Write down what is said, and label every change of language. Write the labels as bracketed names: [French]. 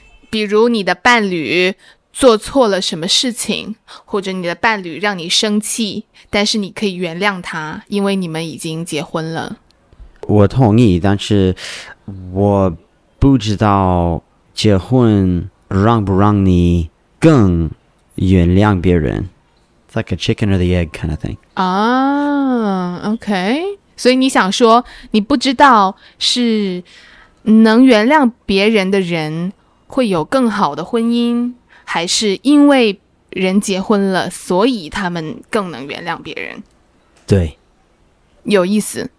[Chinese] 比如你的伴侣做错了什么事情，或者你的伴侣让你生气，但是你可以原谅他，因为你们已经结婚了。我同意，但是我不知道结婚让不让你更原谅别人。 [English] It's like a chicken or the egg kind of thing. OK. [Chinese] 所以你想说，你不知道是能原谅别人的人会有更好的婚姻，还是因为人结婚了，所以他们更能原谅别人。对，有意思。